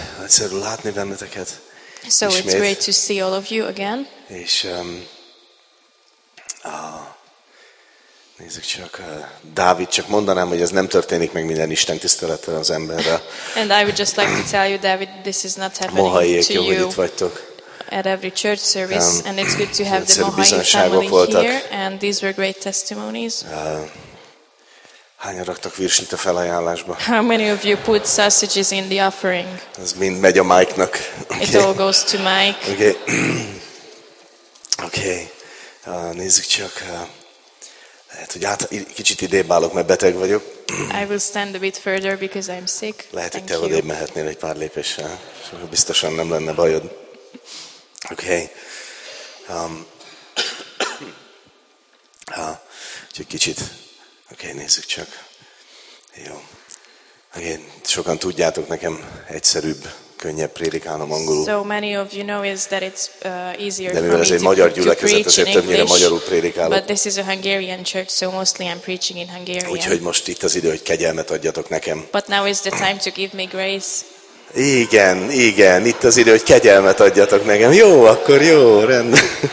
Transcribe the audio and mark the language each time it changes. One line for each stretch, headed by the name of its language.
English: So it's great to see all of you again.
Hungarian: Nézzük csak, Dávid, csak mondanám, hogy ez nem történik meg minden Isten tisztelettel az emberre.
English: And I would just like to tell you, David, this is not happening to you. At every church service, and it's good to have the Mohai family here, and these were great testimonies.
Hungarian: Hányan raktak virslit a felajánlásba?
English: How many of you put sausages in the offering?
Hungarian: Ez mind megy a Mike-nak.
English: Okay. It all goes to Mike. Okay. Okay.
Hungarian: Nézzük csak, lehet, hogy kicsit idébb állok, mert beteg vagyok.
English: I will stand a bit further because I'm sick.
Hungarian: Lehet, hogy te odébb mehetnél egy pár lépéssel, soha biztosan nem lenne bajod.
English: Okay.
Hungarian: Csak kicsit. Okay, nézzük csak. Jó. Okay, sokan tudjátok, nekem egyszerűbb, könnyebb prédikálnom angolul.
English: So many of you know is that it's easier for me to preach in English.
Hungarian: Azért többnyire magyarul prédikálok.
English: But this is a Hungarian church, so mostly I'm preaching in Hungarian.
Hungarian: Úgyhogy most itt az idő, hogy kegyelmet adjatok nekem.
English: But now is the time to give me grace.
Hungarian: Igen, igen, itt az idő, hogy kegyelmet adjatok nekem. Jó, akkor jó, rendben.